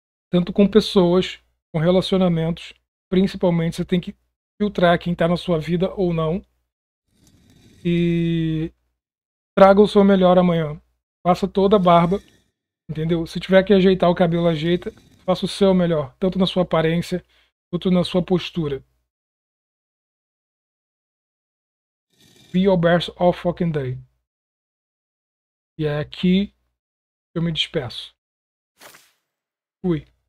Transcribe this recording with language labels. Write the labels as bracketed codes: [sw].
[pt] Tanto com pessoas, com relacionamentos, principalmente você tem que filtrar quem está na sua vida ou não. E traga o seu melhor amanhã. Faça toda a barba, entendeu? Se tiver que ajeitar o cabelo, ajeita. Faça o seu melhor, tanto na sua aparência quanto na sua postura. [en] Be your best all fucking day. [pt] E é aqui que eu me despeço. Fui.